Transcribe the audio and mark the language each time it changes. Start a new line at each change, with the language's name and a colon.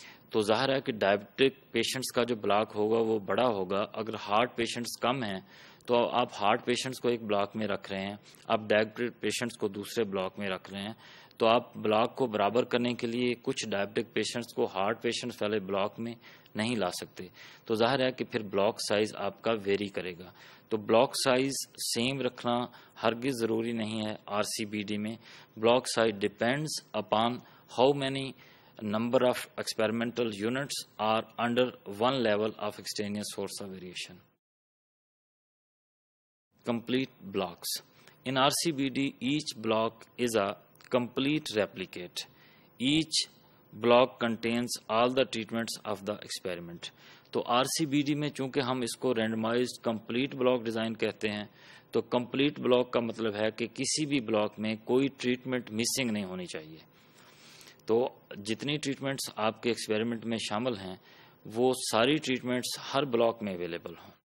Urdu: تو ظاہر ہے کہ ڈائبٹک پیشنٹس کا جو بلاک ہوگا وہ بڑا ہوگا۔ اگر ہارٹ پیشنٹس کم ہیں، تو آپ ہارٹ پیشنٹس کو ایک بلاک میں رکھ رہے ہیں، آپ ڈائبٹک پیشنٹس کو دوسرے بلاک میں رکھ رہے ہیں۔ تو آپ بلاک کو برابر کرنے کے لیے کچھ ڈائبٹک پیشنٹس کو ہارٹ پیشنٹس والے بلاک میں نہیں لا سکتے۔ تو ظاہر ہے کہ پھر بلاک سائز آپ کا ویری کرے گا۔ تو بلاک سائز سیم رکھنا
English: ہرگز ضروری نہیں ہے آر سی بی ڈی میں۔ Block size depends upon how many number of experimental units are under one level of extraneous source of variation. Complete blocks. In RCBD, each block is a complete replicate. Each block contains all the treatments of the experiment.
Urdu: تو R C B D میں چونکہ ہم اس کو randomised complete block design کہتے ہیں، تو complete block کا مطلب ہے کہ کسی بھی بلاک میں کوئی ٹریٹمنٹ مسنگ نہیں ہونی چاہیے۔ تو جتنی ٹریٹمنٹس آپ کے ایکسپیریمنٹ میں شامل ہیں، وہ ساری ٹریٹمنٹس ہر بلاک میں اویلیبل ہوں۔